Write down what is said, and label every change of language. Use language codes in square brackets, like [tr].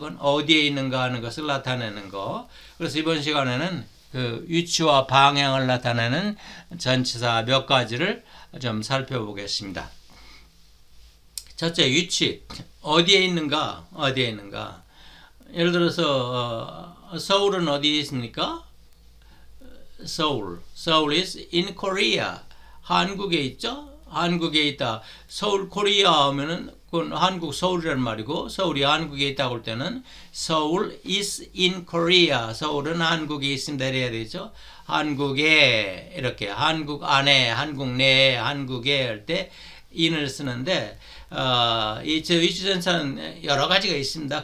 [ko] 그건 어디에 있는가 하는 것을 나타내는 거. 그래서 이번 시간에는 그 위치와 방향을 나타내는 전치사 몇 가지를 좀 살펴보겠습니다. 첫째, 위치 어디에 있는가? 어디에 있는가? 예를 들어서 서울은 어디에 있습니까? [en] 서울 is in Korea. [ko] 한국에 있죠? 한국에 있다. 서울 코리아 하면은 그건 한국 서울이란 말이고 서울이 한국에 있다고 할 때는 서울 [en] is in Korea. [ko] 서울은 한국에 있습니다. 이래야 되죠? 한국에 이렇게 한국 안에 한국 내에 한국에 할때 in을 쓰는데 이저 위치 전치사는 여러 가지가 있습니다.